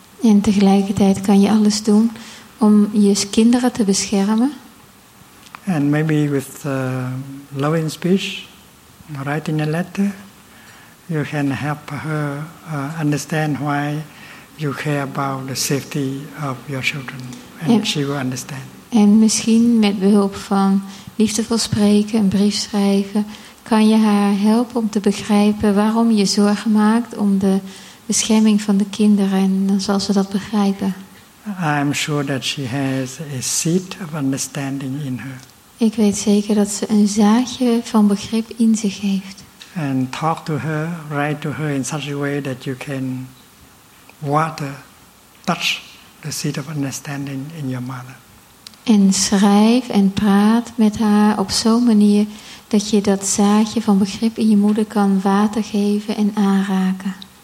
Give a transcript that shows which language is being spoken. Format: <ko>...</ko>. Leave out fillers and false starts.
<nl>En tegelijkertijd kan je alles doen om je kinderen te beschermen.</nl> <en>And maybe with loving speech, writing a letter, you can help her understand why you care about the safety of your children. And she will understand.</en> <nl>En misschien met behulp van liefdevol spreken, een brief schrijven, kan je haar helpen om te begrijpen waarom je zorgen maakt om de bescherming van de kinderen. En dan zal ze dat begrijpen.</nl> <en>I'm sure that she has a seed of understanding in her.</en> <nl>Ik weet zeker dat ze een zaadje van begrip in zich heeft.</nl> <en>And talk to her, write to her in such a way that you can water, touch the seed of understanding in your mother.</en> <nl>En schrijf en praat met haar op zo'n manier dat je dat zaadje van begrip in je moeder kan water geven en aanraken.</nl>